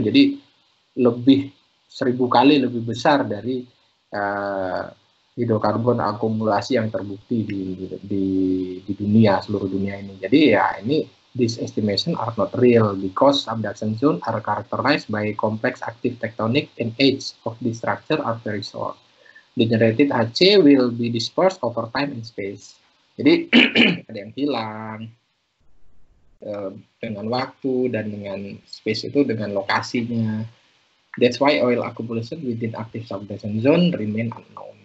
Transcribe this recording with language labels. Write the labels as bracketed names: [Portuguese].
[Indonesian] Jadi, lebih 1.000 kali lebih besar dari hidrokarbon akumulasi yang terbukti di dunia, seluruh dunia ini. Jadi, ya, ini [English] this estimation are not real because subduction zones are characterized by complex active tectonic and age of the structure are very short. The generated HC will be dispersed over time and space. [Indonesian] Jadi, ada yang hilang dengan waktu dan dengan space, itu dengan lokasinya. [English] That's why oil accumulation within active subduction zone remain unknown.